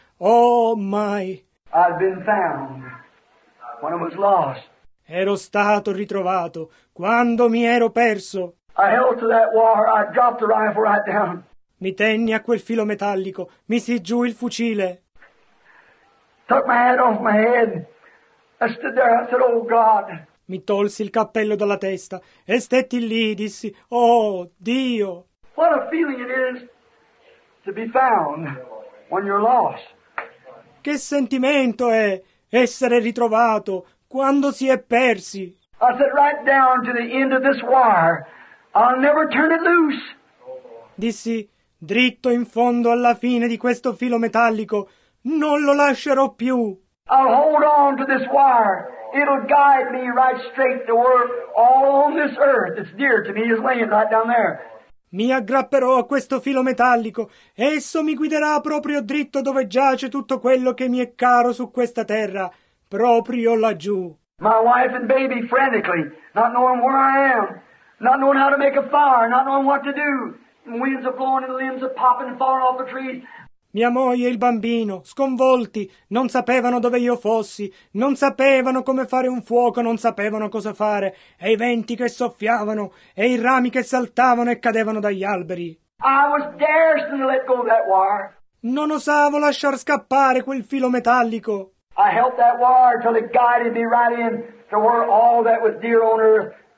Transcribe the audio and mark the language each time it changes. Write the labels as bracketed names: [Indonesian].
[English] Oh, my. I've been found when I was lost. [Italian] Ero stato ritrovato quando mi ero perso. [English] I held to that wire, I dropped the rifle right down. [Italian] Mi tenni a quel filo metallico, misi giù il fucile. [English] Took my hat off my head. I stood there, I said, oh God. [Italian] Mi tolsi il cappello dalla testa e stetti lì, dissi, oh Dio. [English] What a feeling it is to be found when you're lost. [Italian] Che sentimento è essere ritrovato quando si è persi. [English] I said, right down to the end of this wire. I'll never turn it loose. [Italian] Dissi, dritto in fondo alla fine di questo filo metallico, non lo lascerò più. [English] I'll hold on to this wire. It'll guide me right straight to where all on this earth that's dear to me is laying right down there. [Italian] Mi aggrapperò a questo filo metallico. Esso mi guiderà proprio dritto dove giace tutto quello che mi è caro su questa terra, proprio laggiù. [English] My wife and baby frantically, not knowing where I am. Not knowing how to make a fire, not knowing what to do. And winds are blowing and limbs are popping and falling off the trees. [Italian] Mia moglie e il bambino, sconvolti, non sapevano dove io fossi, non sapevano come fare un fuoco, non sapevano cosa fare, e i venti che soffiavano, e i rami che saltavano e cadevano dagli alberi. [English] I was daring to let go of that wire. [Italian] Non osavo lasciar scappare quel filo metallico. [English] I held that wire till it guided me right in to where all that was dear on earth.